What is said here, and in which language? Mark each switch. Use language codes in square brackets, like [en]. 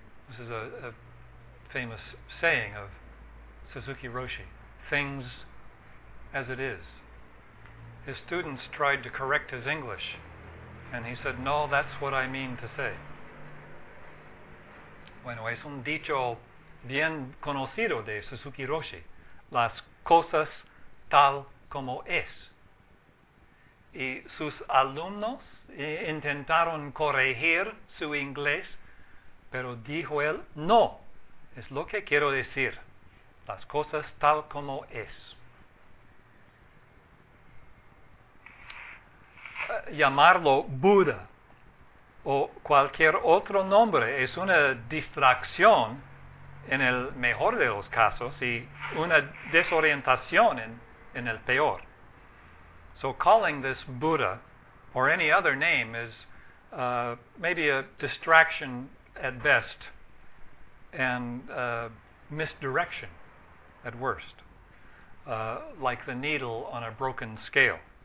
[en] This is a famous saying of Suzuki Roshi, things as it is. His students tried to correct his English, and he said, no, that's what I mean to say. [es] Bueno, es un dicho bien conocido de Suzuki Roshi, las cosas tal como es. Y sus alumnos intentaron corregir su inglés, pero dijo él, no, es lo que quiero decir, las cosas tal como es. Llamarlo Buda o cualquier otro nombre es una distracción en el mejor de los casos y una desorientación en el peor. [en] So calling this Buddha or any other name is maybe a distraction at best, and misdirection at worst, like the needle on a broken scale.